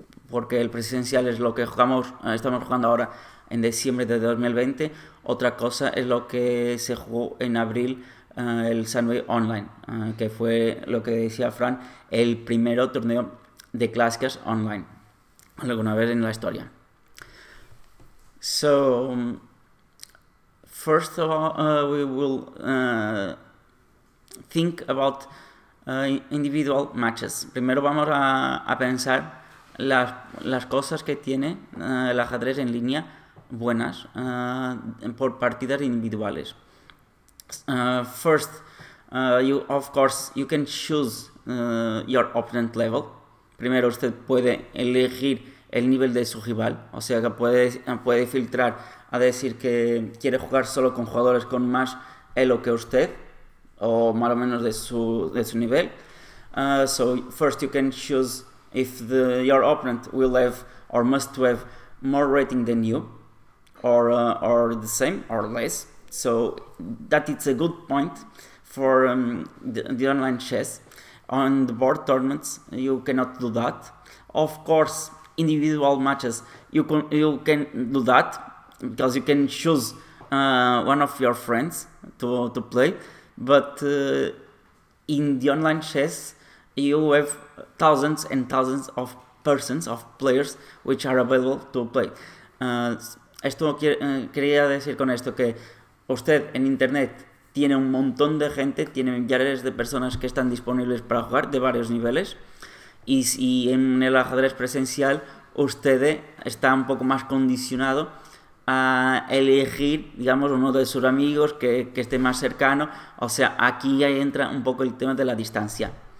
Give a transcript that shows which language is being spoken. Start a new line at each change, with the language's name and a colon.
Spanish: Porque el presencial es lo que estamos jugando ahora en diciembre de 2020. Otra cosa es lo que se jugó en abril, el Sunway Online, que fue lo que decía Fran, el primer torneo de clásicas online alguna vez en la historia.
English: So, first of all, we will think about individual matches.
Spanish: Primero vamos a pensar las cosas que tiene el ajedrez en línea buenas por partidas individuales.
English: First, you of course you can choose your opponent level.
Spanish: Primero usted puede elegir el nivel de su rival, o sea que puede filtrar a decir que quiere jugar solo con jugadores con más elo que usted o más o menos de su nivel.
English: So first you can choose if your opponent will have or must have more rating than you, or the same or less. So that it's a good point for the online chess. On the board tournaments, you cannot do that. Of course, individual matches, you can do that, because you can choose one of your friends to play. But In the online chess, you have thousands and thousands of persons, of players, which are available to play.
Spanish: Esto quería decir con esto que usted en internet tiene un montón de gente, tiene millares de personas que están disponibles para jugar de varios niveles. Y si en el ajedrez presencial usted está un poco más condicionado a elegir, digamos, uno de sus amigos que esté más cercano, o sea, aquí ahí entra un poco el tema de la distancia.